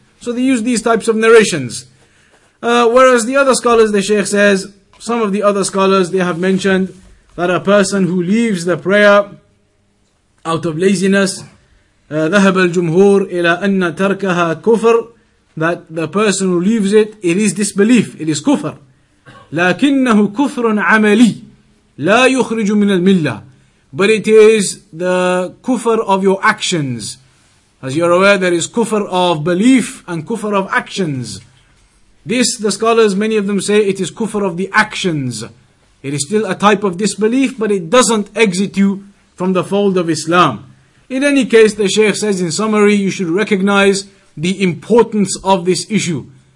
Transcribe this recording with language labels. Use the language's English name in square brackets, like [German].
[English] So they use these types of narrations. Whereas the other scholars, the Shaykh says, some of the other scholars, they have mentioned that a person who leaves the prayer out of laziness, [Arabic] ذهب الجمهور إلى أن تركها كفر, [English] that the person who leaves it, it is disbelief, it is kufr. [Arabic] لكنه كفر عملي لا يخرج من الملة, [English] but it is the kufr of your actions. As you are aware, there is kufr of belief and kufr of actions. This, the scholars, many of them say, it is kufr of the actions. It is still a type of disbelief, but it doesn't exit you from the fold of Islam. In any case, the Shaykh says, in summary, you should recognize the importance of this issue.